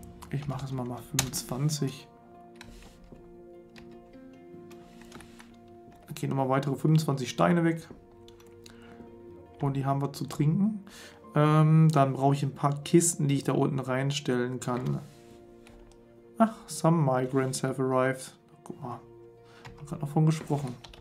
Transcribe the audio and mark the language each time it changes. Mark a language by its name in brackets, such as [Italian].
[German] Ich mache es mal 25. Da gehen nochmal weitere 25 Steine weg. Und die haben wir zu trinken. Dann brauche ich ein paar Kisten, die ich da unten reinstellen kann. [English] Ach, some migrants have arrived. [German] Guck mal, ich habe gerade noch davon gesprochen.